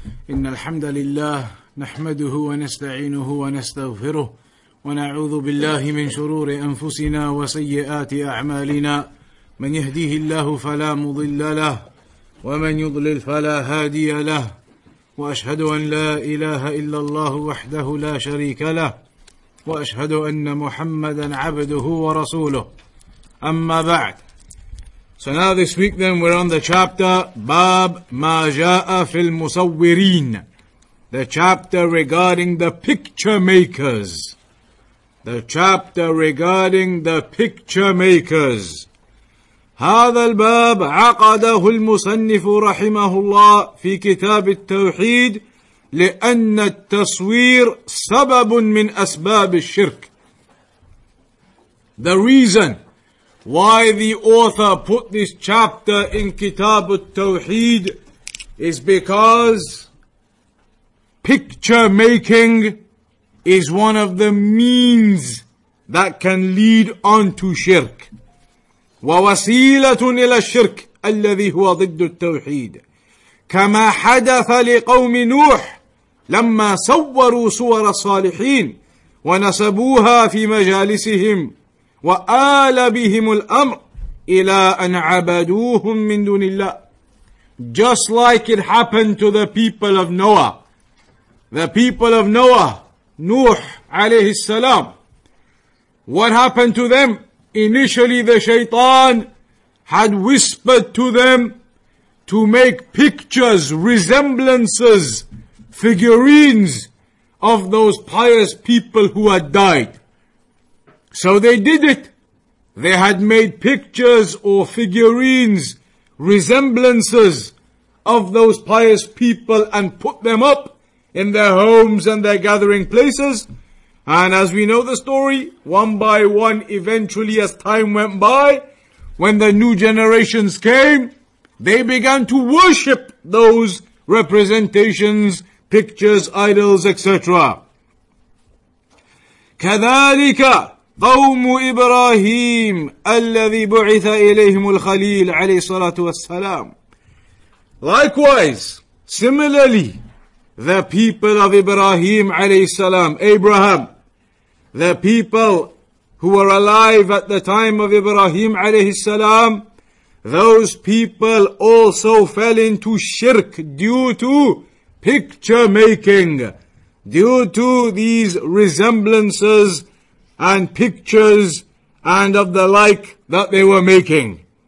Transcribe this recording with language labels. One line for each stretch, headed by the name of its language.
Arabic: إن الحمد لله نحمده ونستعينه ونستغفره ونعوذ بالله من شرور أنفسنا وسيئات أعمالنا، من يهديه الله فلا مضل له ومن يضلل فلا هادي له، وأشهد أن لا إله إلا الله وحده لا شريك له، وأشهد أن محمدا عبده ورسوله. أما بعد،
English: so now this week then we're on the chapter
Arabic: باب ما جاء في المصورين,
English: the chapter regarding the picture makers, the chapter regarding the picture makers.
Arabic: هذا الباب عقده المصنف رحمه الله في كتاب التوحيد لأن التصوير سبب من أسباب الشرك.
English: The reason why the author put this chapter in Kitab al-Tawheed is because picture making is one of the means that can lead on to shirk.
Arabic: وَوَسِيلَةٌ إِلَى الشِّرْكِ الَّذِي هُوَ ضِدُّ التَّوْحِيدِ كَمَا حَدَثَ لِقَوْمِ نُوحٍ لما صوروا صور الصالحين ونسبوها في مجالسهم وآل بهم الأمر إلى أن عبدوهم من دون الله.
English: Just like it happened to the people of Noah. The people of Noah, Nuh
Arabic: عليه السلام.
English: What happened to them? Initially the shaitan had whispered to them to make pictures, resemblances, figurines of those pious people who had died. So they did it. They had made pictures or figurines, resemblances of those pious people and put them up in their homes and their gathering places. And as we know the story, one by one, eventually as time went by, when the new generations came, they began to worship those representations, pictures, idols, etc.
Arabic: كذلك قوم إبراهيم الذي بعث إليهم الخليل عليه الصلاة والسلام.
English: Likewise, similarly, the people of Ibrahim
Arabic: عليه السلام,
English: Abraham, the people who were alive at the time of Ibrahim عليه السلام, those people also fell into shirk due to picture making, due to these resemblances and pictures and of the like that they were making.